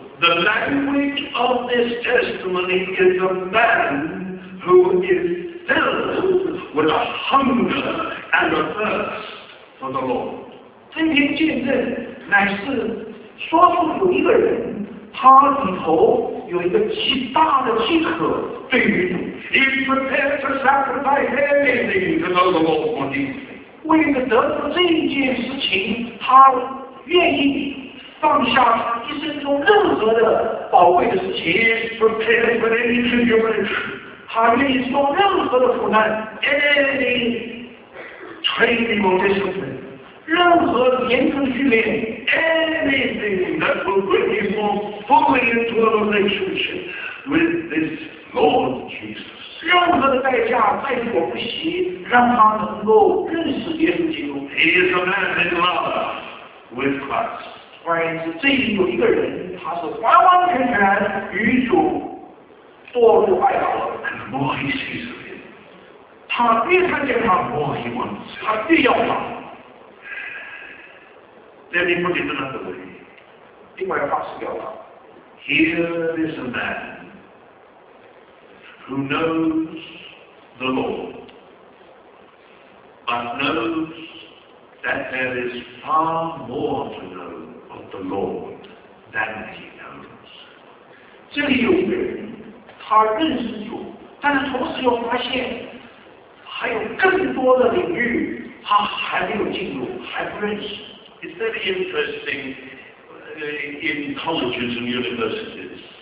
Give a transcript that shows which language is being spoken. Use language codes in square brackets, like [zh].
[en] The language of this testimony is a man who is filled with a hunger and a thirst for the Lord. [zh] 这篇见证乃是说出有一个人，他里头有一个极大的饥渴对于主。 [en] He's prepared to sacrifice anything to know the Lord more deeply. [zh] 为了得到这件事情，他愿意。放下他一生中任何的宝贵的事情 [en] ，He is prepared for any tribulation. [zh] 他愿意受任何的苦难 [en] ，any training or discipline. [zh] 任何连成训练 [en] anything that will bring him more fully into a relationship with this Lord Jesus. [zh] 任何的代价在所不惜，让他能够认识耶稣基督。 [en] He is a man in love with Christ. [zh] 换言之，这里有一个人，他是完完全全与主堕入爱河。 [en] And the more he sees of him, [zh] 他越看见他 [en] ，the more he wants, [zh] 他越要他。 [en] Let me put it another way. [zh] 另外一个方式表达。 [en] Here is a man who knows the Lord, but knows that there is far more to know of the Lord than he knows. [zh] 这里有一个人，他认识主，但是同时又发现还有更多的领域他还没有进入，还不认识。 [en] It's very interesting in colleges and universities.